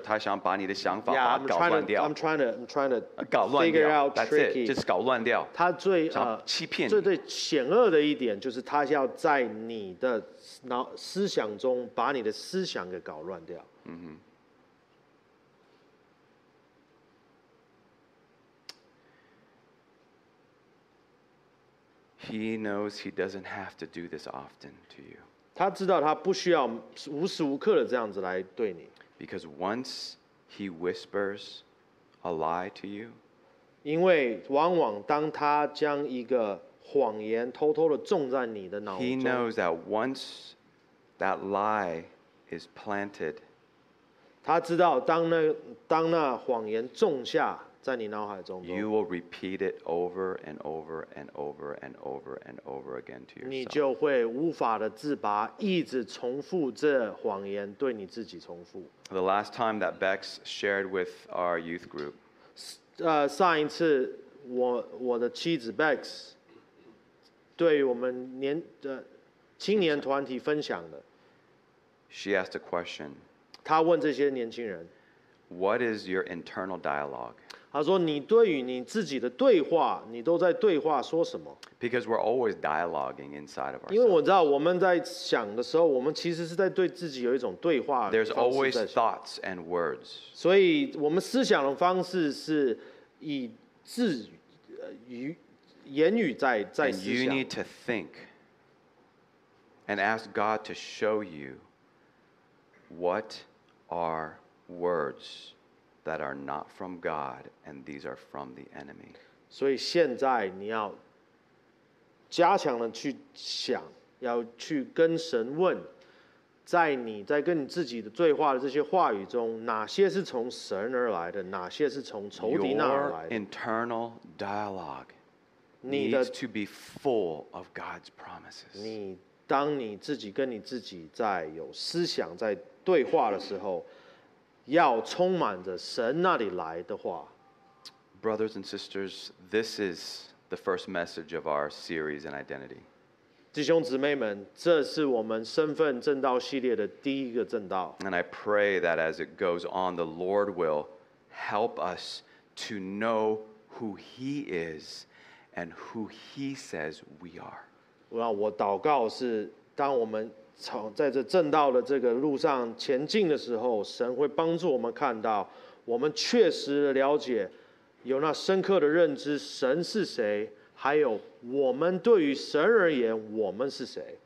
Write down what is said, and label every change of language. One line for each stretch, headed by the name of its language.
Chinese: 他想把你的想法搞乱掉。
English: I'm trying to figure out tricky. That's it.
Chinese: 就是搞乱掉。他最欺骗你。最最险恶的一点就是他要在你的脑思想中把你的思想给搞乱掉。
English: He knows he doesn't have to do this often to you.
Chinese: 他知道他不需要无时无刻的这样子来对你。
English: Because once he whispers a lie to you,
Chinese: 因为往往当他将一个谎言偷偷的种在你的脑中，
English: he knows that once that lie is planted,
Chinese: 他知道当那谎言种下在你脑海中，
English: you will repeat it over and over and over and over and over again to yourself.
Chinese: 你就会无法的自拔，一直重复这谎言，对你自己重复。
English: The last time that Bex shared with our youth group,
Chinese: 上一次我的妻子 Bex 对我们青年团体分享的。
English: She asked a question.
Chinese: 她问这些年轻人
English: ，What is your internal dialogue?
Chinese: 他说：“你对于你自己的对话，你都在对话说什么
English: ？”Because we're always dialoguing inside of ourselves.
Chinese: 因为我知道我们在想的时候，我们其实是在对自己有一种对话的方式在想。
English: There's always thoughts and words.
Chinese: 所以我们思想的方式是以字语言语在思想。
English: And you need to think and ask God to show you what are words. That are not from God, and these are from the enemy.
Chinese: 所以现在你要加强的去想，要去跟神问，在你在跟你自己的对话的这些话语中，哪些是从神而来的，哪些是从仇敌那儿来的。
English: Your internal dialogue needs to be full of God's promises.
Chinese: 你当你自己跟你自己在有思想在对话的时候。要充满着神那里来的话。
English: Brothers and sisters, this is the first message of our series in identity.
Chinese: 弟兄姊妹们，这是我们身份正道系列的第一个正道。
English: And I pray that as it goes on, the Lord will help us to know who He is and who He says we are.
Chinese: 我祷告是当我们在这正道的这个路上前进的时候，神会帮助我们看到，我们确实了解，有那深刻的认知，神是谁，还有我们对于神而言，我们是谁。